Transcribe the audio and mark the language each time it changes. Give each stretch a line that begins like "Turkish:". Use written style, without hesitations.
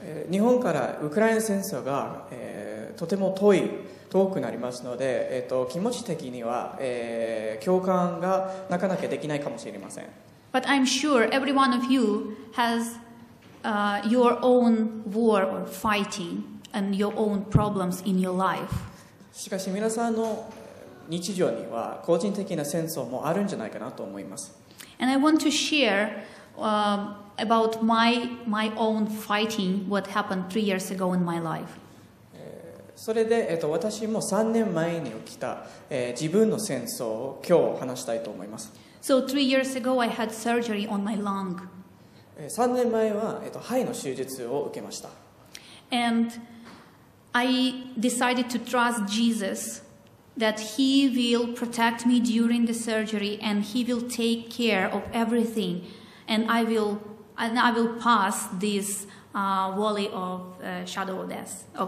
Japanese: 日本からウクライナ戦争が、とても遠い、遠くなりますので、気持ち的には、共感がなかなかできないかもしれません。
English: But I'm sure every one of you has, your own war or fighting. And your own problems in your life.
Japanese: しかし皆さんの日常には個人的な戦争もあるんじゃないかなと思います。
English: And I want to share, about my own fighting what happened 3 years ago in my life.
Japanese: それで、私も3年前に起きた、自分の戦争を今日話したいと思います。
English: So 3 years ago I had surgery on my lung.
Japanese: 3年前は、肺の手術を受けました。
English: And I decided to trust Jesus that He will protect me during the surgery and He will take care of everything and I will pass this valley of shadow of death.